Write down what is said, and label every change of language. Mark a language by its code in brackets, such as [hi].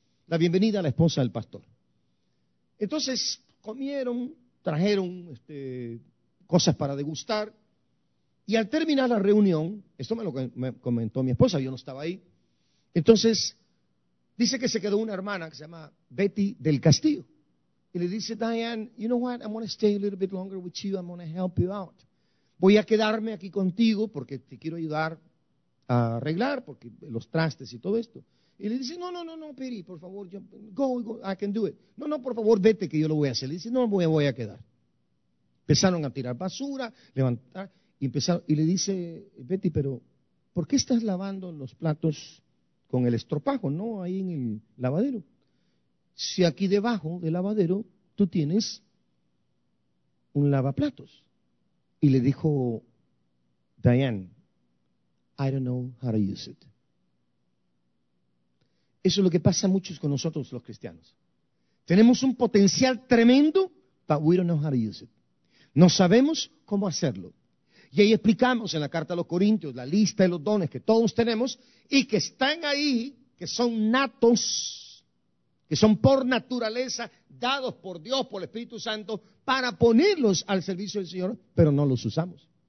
[es] La bienvenida a la esposa del pastor. Entonces comieron, trajeron cosas para degustar y al terminar la reunión, esto me comentó mi esposa, yo no estaba ahí, entonces dice que se quedó una hermana que se llama Betty del Castillo. Y le dice, [en] Diane, you know what, I'm going to stay a little bit longer with you, I'm going to help you out. [es] Voy a quedarme aquí contigo porque te quiero ayudar a arreglar porque los trastes y todo esto. Y le dice, no, Piri, por favor, [en] go, I can do it. [es] No, por favor, vete que yo lo voy a hacer. Le dice, no, me voy a quedar. Empezaron a tirar basura, levantar, y empezaron, y le dice, Betty, pero ¿por qué estás lavando los platos con el estropajo, no, ahí en el lavadero? Si aquí debajo del lavadero tú tienes un lavaplatos. Y le dijo, [en] Diane, I don't know how to use it. [es] Eso es lo que pasa muchos con nosotros los cristianos. Tenemos un potencial tremendo, [en] but we don't know how to use it. [es] No sabemos cómo hacerlo. Y ahí explicamos en la carta a los Corintios la lista de los dones que todos tenemos y que están ahí, que son natos, que son por naturaleza dados por Dios, por el Espíritu Santo, para ponerlos al servicio del Señor, pero no los usamos.